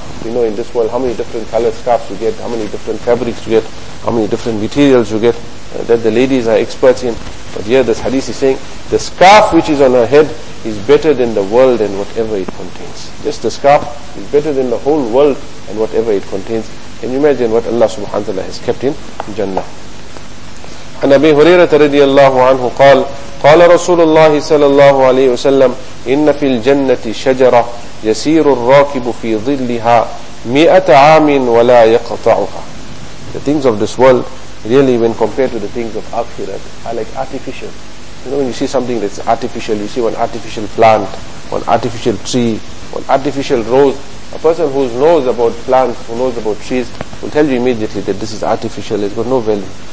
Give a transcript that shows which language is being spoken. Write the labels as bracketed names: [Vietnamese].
[English] You know, in this world, how many different colored scarves you get, how many different fabrics you get, how many different materials you get, that the ladies are experts in. But here this hadith is saying, the scarf which is on her head is better than the world and whatever it contains. Just the scarf is better than the whole world and whatever it contains. Can you imagine what Allah subhanahu wa ta'ala has kept in Jannah? [Arabic] And Abi Hurairah radiallahu anhu qal, قال رسول الله صلى الله عليه وسلم إن في الجنة شجرة يسير الراكب في ظلها مئة عام ولا يقطعها. [English] The things of this world, really when compared to the things of akhirat, are like artificial. You know, when you see something that's artificial, you see one artificial plant, one artificial tree, one artificial rose, a person who knows about plants, who knows about trees, will tell you immediately that this is artificial, it's got no value.